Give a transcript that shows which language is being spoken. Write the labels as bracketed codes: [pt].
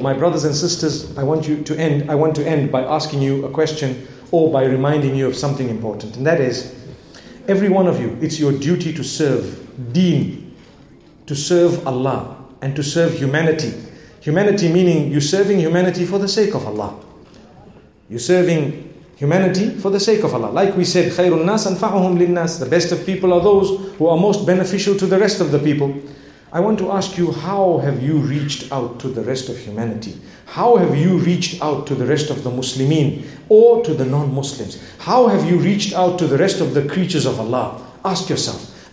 [en] My brothers and sisters, I want to end by asking you a question or by reminding you of something important. And that is, every one of you, it's your duty to serve deen, to serve Allah and to serve humanity. Humanity meaning you're serving humanity for the sake of Allah. You're serving humanity for the sake of Allah. Like we said, [ar] خَيْرٌ النَّاسَ أَنْفَعُهُمْ لِلنَّاسِ. [en] The best of people are those who are most beneficial to the rest of the people. I want to ask you, how have you reached out to the rest of humanity? How have you reached out to the rest of the Muslimin or to the non-Muslims? How have you reached out to the rest of the creatures of Allah? Ask yourself.